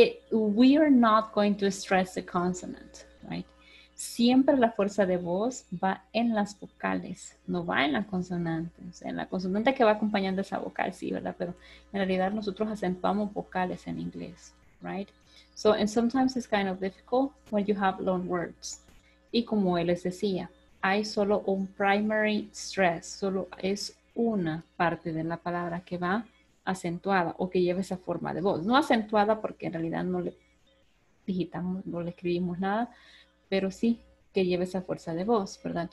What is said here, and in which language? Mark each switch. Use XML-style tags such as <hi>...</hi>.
<en>We are not going to stress the consonant, right?</en> <es>Siempre la fuerza de voz va en las vocales, no va en la consonante. O sea, en la consonante que va acompañando esa vocal, sí, ¿verdad? Pero en realidad nosotros acentuamos vocales en inglés, right?</es> <en>So, and sometimes it's kind of difficult when you have long words.</en> <es>Y como él les decía, hay solo un primary stress, solo es una parte de la palabra que va acentuada o que lleva esa forma de voz. No acentuada porque en realidad no le digitamos, no le escribimos nada, pero sí que lleva esa fuerza de voz, ¿verdad?</es>